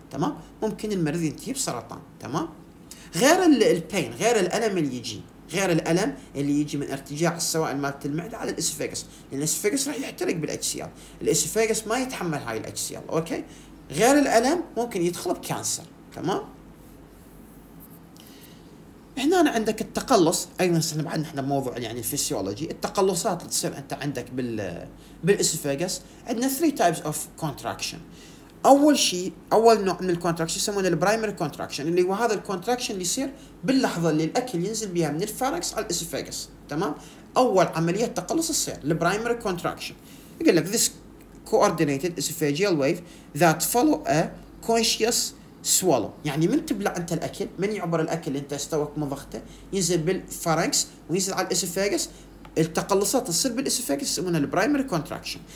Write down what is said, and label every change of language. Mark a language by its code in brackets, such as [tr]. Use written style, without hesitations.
[ar] تمام، ممكن المريض ينتهي بسرطان. تمام، غير البين، غير الالم اللي يجي، غير الالم اللي يجي من ارتجاع السوائل مالت المعده على الاسفاجس، لان الاسفاجس راح يحترق بالاتش سي ال، الاسفاجس ما يتحمل هاي الاتش سي ال. اوكي، غير الالم ممكن يدخل بكانسر. تمام، احنا انا عندك التقلص ايضا سنب عن احنا موضوع يعني الفسيولوجي، التقلصات اللي تصير انت عندك بالاسفاجس. عندنا [en] 3 types of contraction. [ar] اول شيء اول نوع من الكونتراكشن يسمونه البرايمري كونتراكشن، اللي هو هذا الكونتراكشن اللي يصير باللحظه اللي الاكل ينزل بها من الفاركس على الاسفاجس، تمام؟ اول عمليه تقلص تصير البرايمري كونتراكشن. يقول لك [en] this coordinated esophageal wave that follow a conscious swallow، [ar] يعني من تبلع انت الاكل، من يعبر الاكل انت استوك مضغته ينزل بالفاركس وينزل على الاسفاجس، التقلصات تصير بالاسفاجس يسمونها البرايمري كونتراكشن.